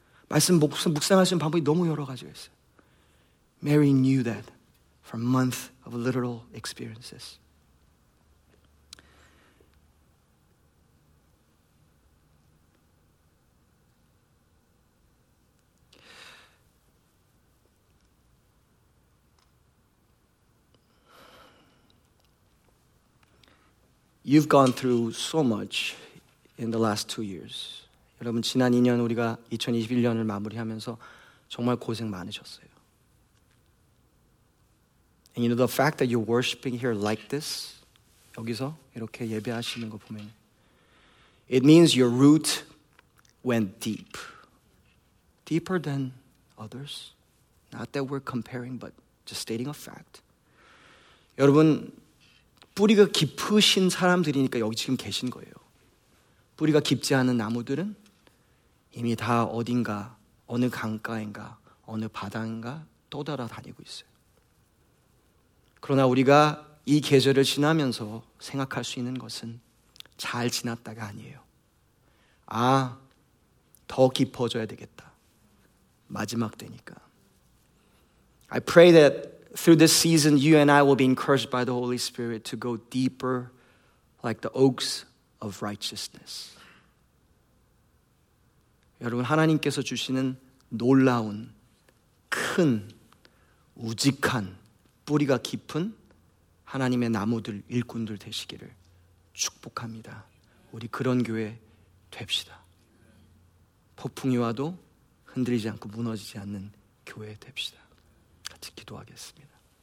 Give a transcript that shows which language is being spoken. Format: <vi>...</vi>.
<ko>말씀 묵상하시는 방법이 너무 여러 가지가 있어요.</ko> <en>Mary knew that from months of literal experiences. You've gone through so much in the last 2 years.</en> <ko>여러분, 지난 2년 우리가 2021년을 마무리하면서 정말 고생 많으셨어요.</ko> <en>And you know, the fact that you're worshiping here like this,</en> <ko>여기서 이렇게 예배하시는 거 보면,</ko> <en>it means your root went deep. Deeper than others. Not that we're comparing, but just stating a fact.</en> <ko>여러분, 뿌리가 깊으신 사람들이니까 여기 지금 계신 거예요. 뿌리가 깊지 않은 나무들은 이미 다 어딘가, 어느 강가인가, 어느 바다인가 떠돌아다니고 있어요. 그러나 우리가 이 계절을 지나면서 생각할 수 있는 것은 잘 지났다가 아니에요. 아, 더 깊어져야 되겠다. 마지막 되니까.</ko> <en>I pray that through this season, you and I will be encouraged by the Holy Spirit to go deeper like the oaks of righteousness.</en> <ko>여러분, 하나님께서 주시는 놀라운, 큰, 우직한, 뿌리가 깊은 하나님의 나무들, 일꾼들 되시기를 축복합니다. 우리 그런 교회 됩시다. 폭풍이 와도 흔들리지 않고 무너지지 않는 교회 됩시다. 같이 기도하겠습니다.</ko>